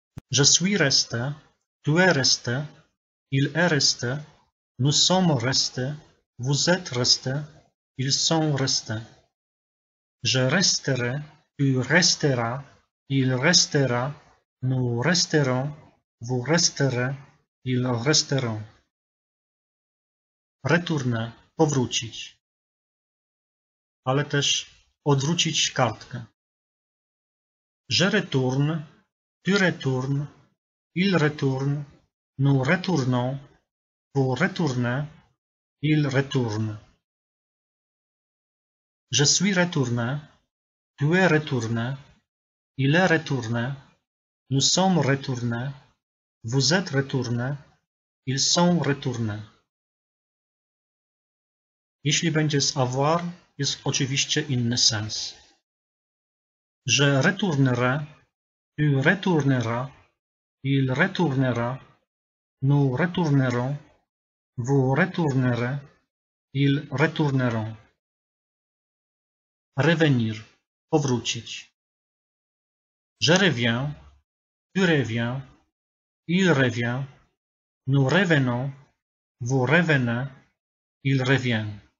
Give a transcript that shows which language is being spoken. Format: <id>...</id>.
<fr>Je suis resté, tu es resté, il est resté, nous sommes restés, vous êtes restés, ils sont restés. Je resterai, tu resteras, il restera, nous resterons, vous resterez, ils resteront. Retourner, powrócić.</fr> <pl>Ale też odwrócić kartkę.</pl> <fr>Je retourne, tu retournes, il retourne, nous retournons, vous retournez, il retourne. Je suis retourné, tu es retourné, il est retourné, nous sommes retournés, vous êtes retournés, ils sont retournés.</fr> <pl>Jeśli będzie z avoir, jest oczywiście inny sens.</pl> <fr>Je retournerai, tu retourneras, il retournera, nous retournerons, vous retournerez, ils retourneront. Revenir, powrócić. Je reviens, tu reviens, il revient, nous revenons, vous revenez, il revient.</fr>